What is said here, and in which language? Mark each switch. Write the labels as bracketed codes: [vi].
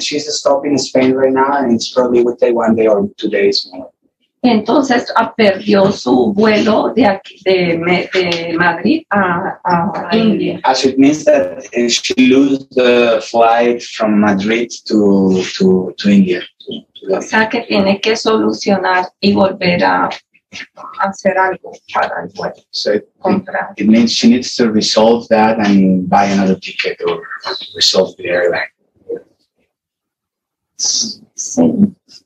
[en] She's stopped in Spain right now, and it's probably would take one day or 2 days more. [es] Entonces ha perdido su vuelo de aquí, de Madrid a India. [en] As it means that she lose the flight from Madrid to India. [es] O sea que tiene que solucionar y volver a hacer algo para el vuelo. [en] So it means she needs to resolve that and buy another ticket or resolve the airline. [es] Sí.